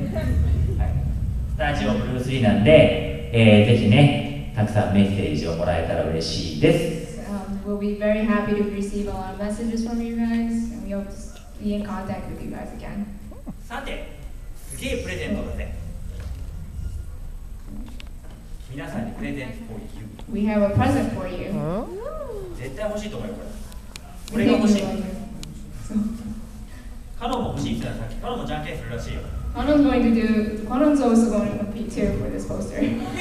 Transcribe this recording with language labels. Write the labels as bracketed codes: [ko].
[ja] スタジオブルースリーなんで、ぜひね、たくさんメッセージをもらえたら嬉しいです。 [en] We'll be very happy to receive a lot of messages from you guys, and we hope to be in contact with you guys again. [ja] さて、すげえプレゼントだぜ。皆さんにプレゼント [en] for you. We have a present for you. [ja] 絶対欲しいと思うよ、これ。これが欲しい。カノンも欲しいって言ったらさっき、カノンもじゃんけんするらしいよ。 [en] カノン's going to do... カノン's also going to compete too for this poster.